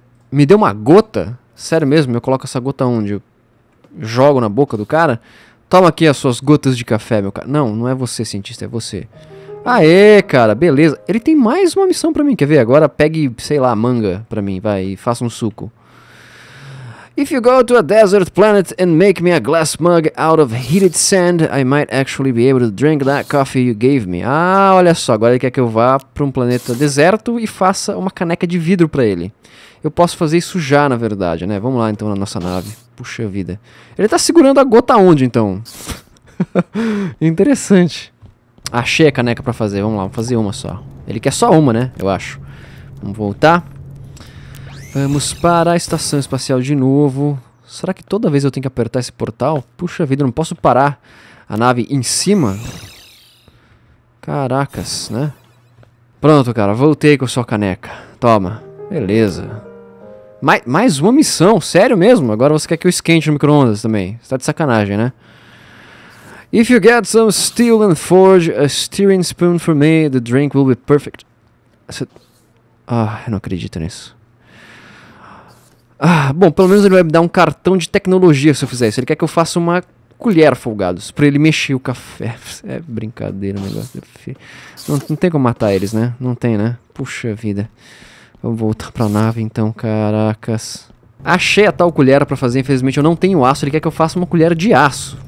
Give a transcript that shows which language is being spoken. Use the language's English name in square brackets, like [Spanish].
[Portuguese] Me deu uma gota? Sério mesmo? Eu coloco essa gota onde? Eu jogo na boca do cara? Toma aqui as suas gotas de café, meu cara. Não, não é você, cientista, é você. Aê, cara, beleza. Ele tem mais uma missão pra mim, quer ver? Agora pegue, sei lá, manga pra mim, vai, e faça um suco. [English] If you go to a desert planet and make me a glass mug out of heated sand, I might actually be able to drink that coffee you gave me. [Portuguese] Ah, olha só, agora ele quer que eu vá pra um planeta deserto e faça uma caneca de vidro pra ele. Eu posso fazer isso já, na verdade, né? Vamos lá, então, na nossa nave. Puxa vida. Ele tá segurando a gota onde, então? Interessante. Achei a caneca pra fazer, vamos lá, vamos fazer uma só. Ele quer só uma, né, eu acho. Vamos voltar. Vamos para a estação espacial de novo. Será que toda vez eu tenho que apertar esse portal? Puxa vida, eu não posso parar a nave em cima? Caracas, né? Pronto, cara, voltei com a sua caneca. Toma, beleza. Mais uma missão, sério mesmo? Agora você quer que eu esquente no micro-ondas também. Você tá de sacanagem, né? [English] If you get some steel and forge a steering spoon for me, the drink will be perfect. [Portuguese] Eu não acredito nisso. Bom, pelo menos ele vai me dar um cartão de tecnologia se eu fizer isso. Ele quer que eu faça uma colher, folgados, pra ele mexer o café. É brincadeira o negócio. Não tem como matar eles, né? Não tem, né? Puxa vida. Vamos voltar pra nave então, caracas. Achei a tal colher pra fazer, infelizmente eu não tenho aço. Ele quer que eu faça uma colher de aço.